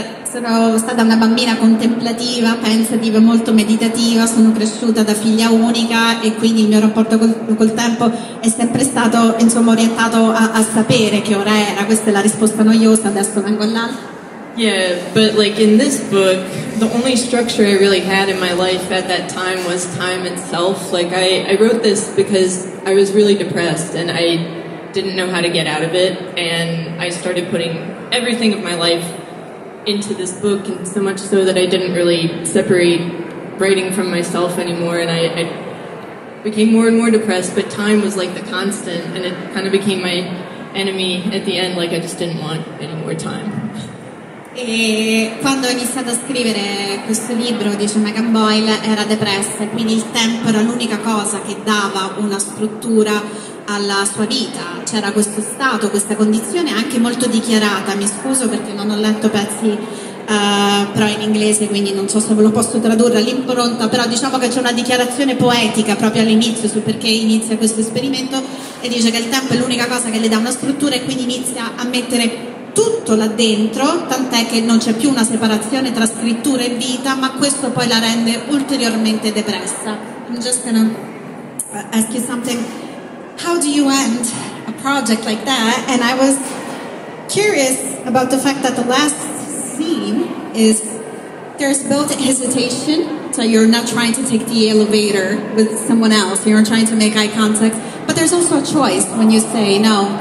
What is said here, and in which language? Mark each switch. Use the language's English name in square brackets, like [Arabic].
[Italian] Sono stata una bambina contemplativa, pensativa, molto meditativa, sono cresciuta da figlia unica e quindi il mio rapporto col tempo è sempre stato, insomma, orientato a sapere che ora era. Questa è la risposta noiosa, adesso vengo là. [English] Yeah, but like in this book, the only structure I really had in my life at that time was time itself. Like I wrote this because I was really depressed and I didn't know how to get out of it, and I started putting everything of my life into this book, and so much so that I didn't really separate writing from myself anymore, and I became more and more depressed, but time was like the constant, and it kind of became my enemy at the end. Like I just didn't want any more time. [Italian] E quando ho iniziato a scrivere questo libro, dice Megan Boyle, era depressa, quindi il tempo era l'unica cosa che dava una struttura alla sua vita. C'era questo stato, questa condizione anche molto dichiarata. Mi scuso perché non ho letto pezzi però in inglese, quindi non so se ve lo posso tradurre all'impronta, però diciamo che c'è una dichiarazione poetica proprio all'inizio su perché inizia questo esperimento, e dice che il tempo è l'unica cosa che le dà una struttura, e quindi inizia a mettere tutto là dentro, tant'è che non c'è più una separazione tra scrittura e vita, ma questo poi la rende ulteriormente depressa. [English] I'm just gonna ask you something. How do you end a project like that? And I was curious about the fact that the last scene is there's built hesitation, so you're not trying to take the elevator with someone else, you're not trying to make eye contact, but there's also a choice when you say no.